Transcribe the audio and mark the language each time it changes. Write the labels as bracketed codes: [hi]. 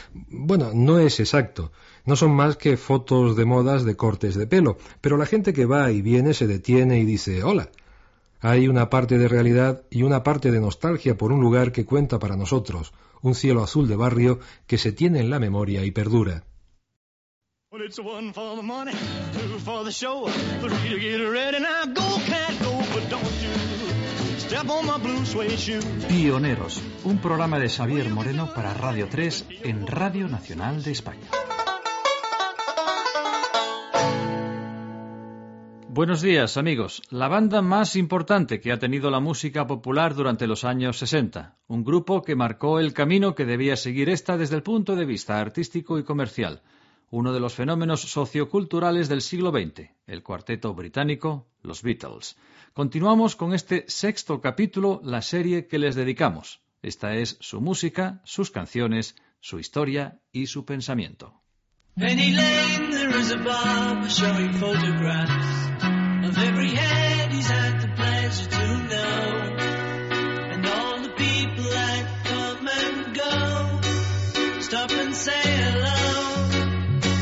[es] Bueno, no es exacto. No son más que fotos de modas de cortes de pelo, pero la gente que va y viene se detiene y dice «Hola». Hay una parte de realidad y una parte de nostalgia por un lugar que cuenta para nosotros, un cielo azul de barrio que se tiene en la memoria y perdura. [en] Well, it's one for the money, two for the show, three to get ready, now go, cat, go, but don't you step on my blue suede shoe. [es] Pioneros, un programa de Xavier Moreno para Radio 3 en Radio Nacional de España. Buenos días, amigos. La banda más importante que ha tenido la música popular durante los años 60. Un grupo que marcó el camino que debía seguir esta desde el punto de vista artístico y comercial. Uno de los fenómenos socioculturales del siglo XX, el cuarteto británico, los Beatles. Continuamos con este sexto capítulo, la serie que les dedicamos. Esta es su música, sus canciones, su historia y su pensamiento. [en] Penny Lane, there is a bar showing photographs of every head he's had the pleasure to know. And all the people that come and go, stop and say hello.